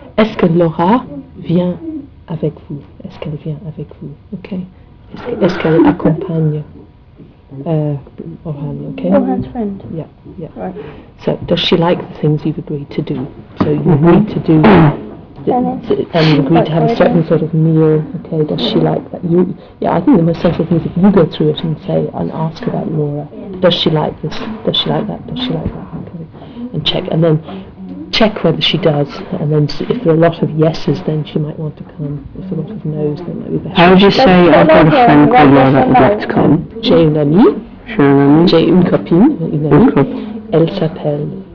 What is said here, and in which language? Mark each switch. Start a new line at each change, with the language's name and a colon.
French: Est-ce que Laura vient avec vous? Est-ce qu'elle vient avec vous? Okay. Est-ce qu'elle accompagne?
English: Orhan, okay? Orhan's friend. Yeah, yeah. Right. So, does she like the things you've agreed to do? So, you agreed to do... and you agreed to have a certain sort of meal, okay? Does she like that? I think the most sensible thing is if you go through it and say, and ask about Laura, does she like this? Does she like that? Does she like that? Okay. And check. And then check whether she does. And then if there are a lot of yeses, then she might want to come. If there are a lot of noes, then it might be better. How would you say, I've got a friend called Laura that would like to come?
French: J'ai une amie. J'ai une copine. Une amie. Elle s'appelle.